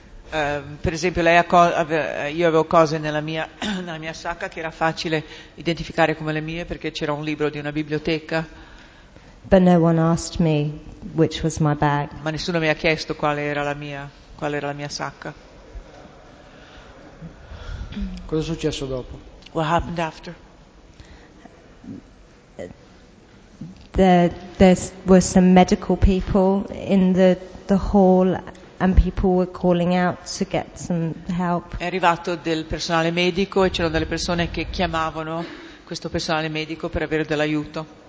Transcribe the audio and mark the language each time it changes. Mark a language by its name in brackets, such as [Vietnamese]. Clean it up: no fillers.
[Italian] Per esempio, lei io avevo cose nella mia sacca che era facile identificare come le mie perché c'era un libro di una biblioteca. [English] But no one asked me which was my bag. [Italian] Ma nessuno mi ha chiesto qual era la mia sacca. Cosa è successo dopo? [English] What happened after? There were some medical people in the hall and people were calling out to get some help. [Italian] È arrivato del personale medico e c'erano delle persone che chiamavano questo personale medico per avere dell'aiuto.